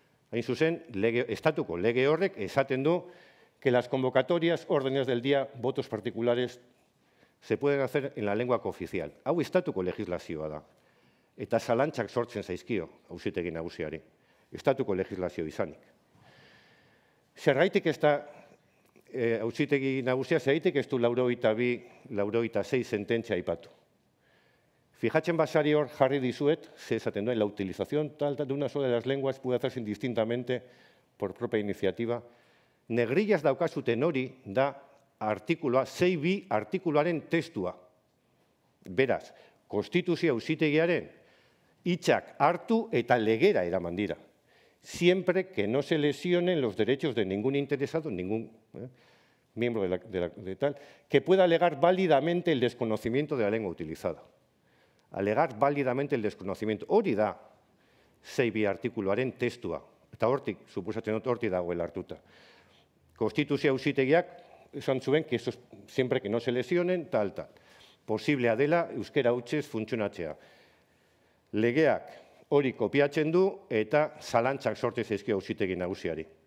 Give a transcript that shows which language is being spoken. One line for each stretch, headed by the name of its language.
Basque: Hain zuzen, estatuko lege horrek esaten du
Spanish: que las convocatorias, órdenes del día, votos particulares se pueden hacer en la lengua cooficial.
Basque: Hau estatuko legislazioa da. Eta zalantzak sortzen zaizkio, auzitegi nagusiari. Estatuko legislazio izanik. Zergaitik ez da, auzitegi nagusia, zergaitik ez du 82-86 sententzia aipatu. Fijatzen basari hor jarri dizuet, ze esaten duen,
Spanish: la utilización tal de una sola de las lenguas puede hacerse indistintamente por propia iniciativa.
Basque: Negrillas daukazuten hori da artikuloa, 6.b artikuloaren testua. Beraz, konstituzio auzitegiaren hitzak hartu eta legera eraman dira.
Spanish: Siempre que no se lesionen los derechos de ningún interesado, ningún miembro de tal, que pueda alegar válidamente el desconocimiento de la lengua utilizada. Alegar válidamente el desconocimiento.
Basque: Hori da, 6.b artikuloaren testua. Eta hortik, suposatzen dut, hortik dagoela hartuta. Konstituzio auzitegiak, esan zuen,
Spanish: que eso es siempre que no se lesionen, tal, tal.
Basque: Posiblea dela, euskera hutsez funtzionatzea. Legeak hori kopiatzen du, eta zalantzak sortzen zaizkio auzitegi nagusiari.